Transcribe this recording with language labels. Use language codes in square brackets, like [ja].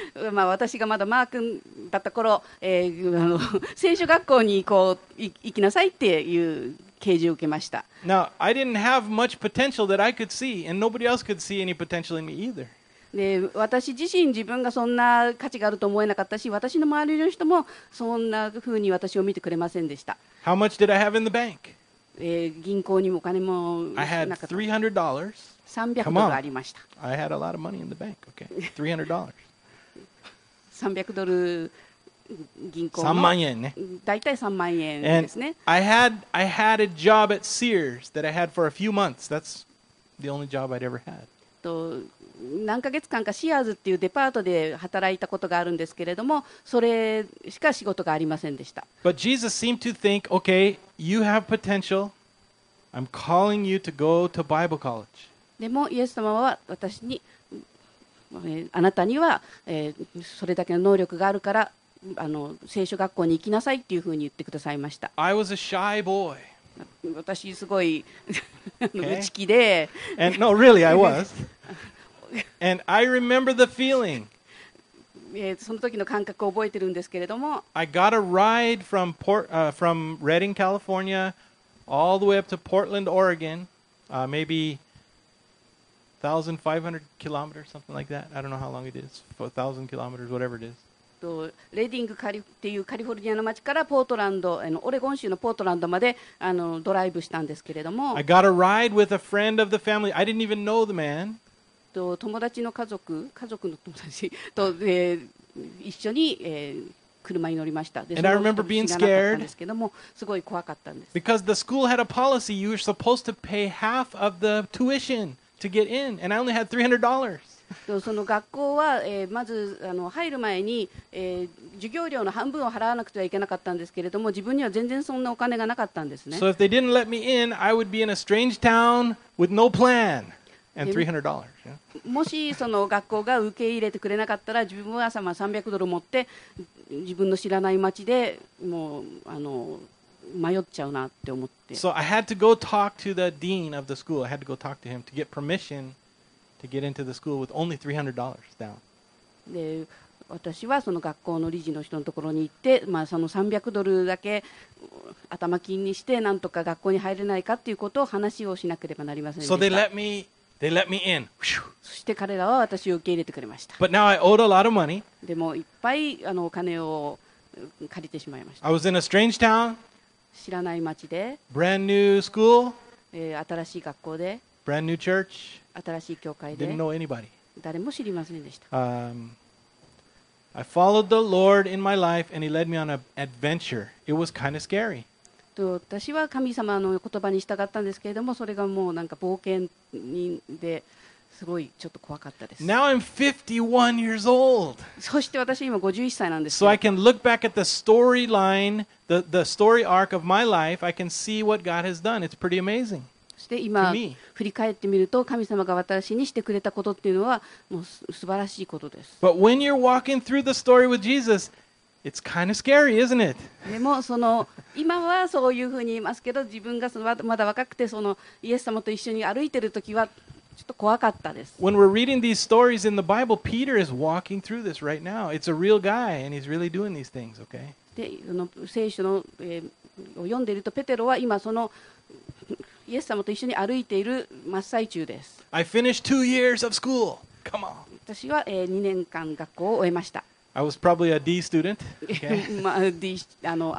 [ja] まあ、私がまだマー君だった頃、聖書学校に行きなさいっていう啓示を受けました。 [en] Now, I didn't have much potential that I could see, and nobody else could see any potential in me either. [ja] で私自身自分がそんな価値があると思えなかったし私の周りの人もそんな風に私を見てくれませんでした [en] How much did I have in the bank?、 [ja] 銀行にもお金もなかった [en] $300 [ja] $300ありました [en] I had a lot of money in the bank、okay. $300 [ja] $300銀行 3万円ねだいたい3万円ですね [en] I had a job at Sears that I had for a few months That's the only job I'd ever had [ja] と何ヶ月間かシアーズっていうデパートで働いたことがあるんですけれどもそれしか仕事がありませんでした [en] But Jesus seemed to think, okay, you have potential. I'm calling you to go to Bible college. [ja] でもイエス様は私にあなたにはそれだけの能力があるから聖書学校に行きなさいっていうふうに言ってくださいました [en] I was a shy boy. [ja] 私すごい内気で [en] And no, really, I was. And I remember the feeling. [ja] その時の感覚を覚えてるんですけれども。 [en] I got a ride from from Redding, California, all the way up to Portland, Oregon. Maybe 1,500 kilometers, something like that. I don't know how long it is. 1,000 kilometers, whatever it is. [ja] レディングっていうカリフォルニアの町からポートランド、オレゴン州のポートランドまでドライブしたんですけれども。 [en] I got a ride with a friend of the family. I didn't even know the man. [ja] 友達の家族の友達と、一緒に、車に乗りました。で、その人も知らなかったんですけども、すごい怖かったんです。 [en] Because the school had a policy, you were supposed to pay half of the tuition to get in, and I only had $300. [ja] その学校は、まず入る前に、授業料の半分を払わなくてはいけなかったんですけれども、自分には全然そんなお金がなかったんですね。 [en] So if they didn't let me in, I would be in a strange town with no plan. And $300, yeah. [ja] もしその学校が受け入れてくれなかったら自分は朝まあ300ドル持って自分の知らない町でもう迷っちゃうなって思って [en] So I had to go talk to the dean of the school I had to go talk to him to get permission to get into the school with only $300 down [ja] で私はその学校の理事の人のところに行って、まあ、その300ドルだけ頭金にしてなんとか学校に入れないかっていうことを話をしなければなりませんでした [en] So they let meThey let me in. [ja] そして彼らは私を受け入れてくれました。 [en] But now I owed a lot of money. [ja] でもいっぱいお金を借りてしまいました。 [en] I was in a strange town. [ja] 知らない町で。 [en] Brand new school. [ja] 新しい学校で。 [en] Brand new church. [ja] 新しい教会で。 [en] Didn't know anybody. [ja] 誰も知りませんでした。 [en] I followed the Lord in my life and he led me on an adventure. It was kind of scary. [ja] 私は神様の言葉に従ったんですけれどもそれがもうなんか冒険人ですごいちょっと怖かったです [en] Now I'm 51 years old. [ja] そして私今51歳なんです [en] So I can look back at the storyline the story arc of my life I can see what God has done It's pretty amazing [ja] そして今振り返ってみると神様が私にしてくれたことっていうのはもう素晴らしいことです [en] But when you're walking through the story with JesusIt's kind of scary, isn't it? [ja] でもその今はそういうふうに言いますけど、自分がそのまだ若くてそのイエス様と一緒に歩いてる時はちょっと怖かったです。 [en] When we're reading these stories in the Bible, Peter is walking through this right now. It's a real guy, and he's really doing these things. Okay? [ja] で、その聖書の、を読んでいるとペテロは今そのイエス様と一緒に歩いている真っ最中です。 [en] I finished 2 years of school. Come on. [ja] 私は、2年間学校を終えました。 [en] I was probably a D student.